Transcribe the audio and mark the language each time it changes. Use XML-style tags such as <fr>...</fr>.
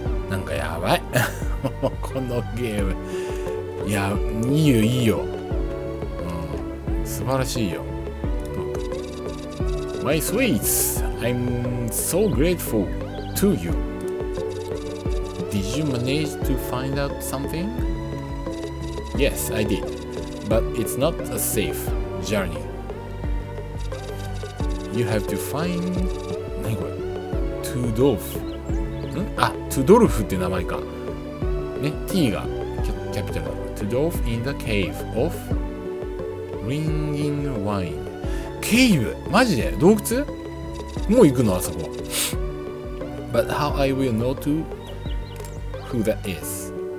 <ja>なんかやばいこのゲーム、いや、いいよ、うん、素晴らしいよ。</ja> <en>My sweets, I'm so grateful to you. Did you manage to find out something? Yes, I did. But it's not a safe journey. You have to find...</en> <ja>何これ、トゥドルフ。ん、あ、トゥドルフって名前か。ね、T がキャピタル。</ja> <en>トゥドルフ in the cave of ringing wine.</en> <ja>ケイブ？マジで？洞窟？もう行くの？あそこ。</ja> <en>But how I will know to who that is?</en>